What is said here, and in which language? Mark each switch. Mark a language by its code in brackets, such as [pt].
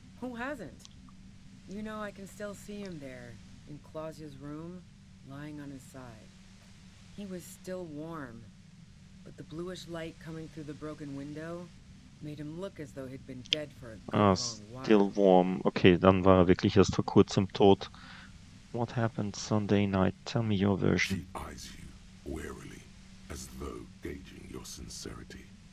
[en] Who hasn't? You know, I can still see him there, in Clausia's room, lying on his side. He was still warm, but the bluish light coming through the broken window made him look as though he'd been dead for a long while. Still warm. [de] Okay, dann war er wirklich erst vor kurzem tot. [en] What happened Sunday night? Tell me your version. She eyes you warily, as though gauging your sincerity.